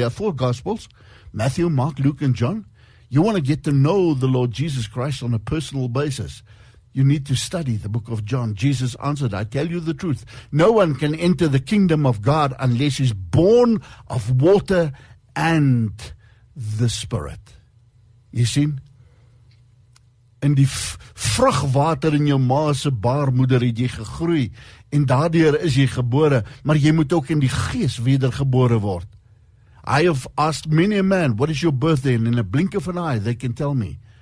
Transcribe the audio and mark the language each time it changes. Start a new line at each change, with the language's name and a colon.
English: There are four gospels, Matthew, Mark, Luke, and John. You want to get to know the Lord Jesus Christ on a personal basis. You need to study the book of John. Jesus answered, I tell you the truth. No one can enter the kingdom of God unless he's born of water and the Spirit. You see?
Afrikaans: In die vrugwater in jou ma se baarmoeder het jy gegroei en daardeur is jy gebore, maar jy moet ook in die gees wedergebore word.
English: I have asked many a man, what is your birthday? And in a blink of an eye, they can tell me.